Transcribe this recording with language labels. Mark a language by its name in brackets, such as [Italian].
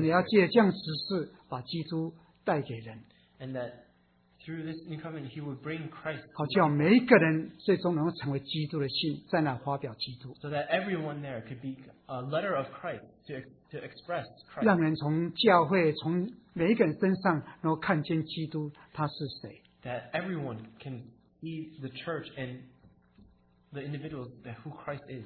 [English] Spirit. [Chinese] 要借这样指示, 把基督带给人, [English] and that through this new covenant, he would bring Christ. [Chinese] 好叫每一个人最终能够成为基督的信, [English] so that everyone there could be a letter of Christ to express Christ. [Chinese] 让人从教会,从每一个人身上能够看见基督, [English] that everyone can see the church and the individuals that who Christ is.